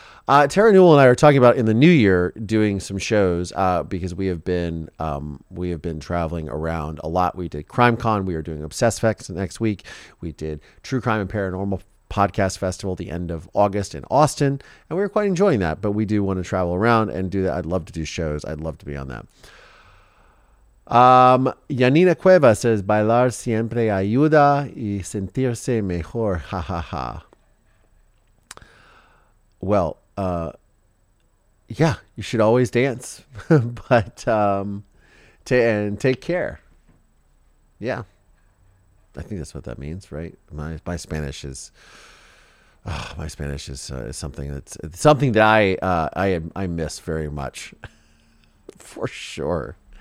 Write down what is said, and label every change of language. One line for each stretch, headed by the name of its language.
English: Tara Newell and I are talking about in the new year doing some shows because we have been traveling around a lot. We did Crime Con. We are doing ObsessFex next week. We did True Crime and Paranormal Podcast Festival the end of August in Austin. And we were quite enjoying that. But we do want to travel around and do that. I'd love to do shows. I'd love to be on that.
Spanish: Yanina Cueva
English: says,
Spanish: bailar siempre ayuda y sentirse mejor. Ha, ha, ha.
English: Well, yeah, you should always dance, but, and take care. Yeah. I think that's what that means, right? My Spanish is, something that I miss very much for sure.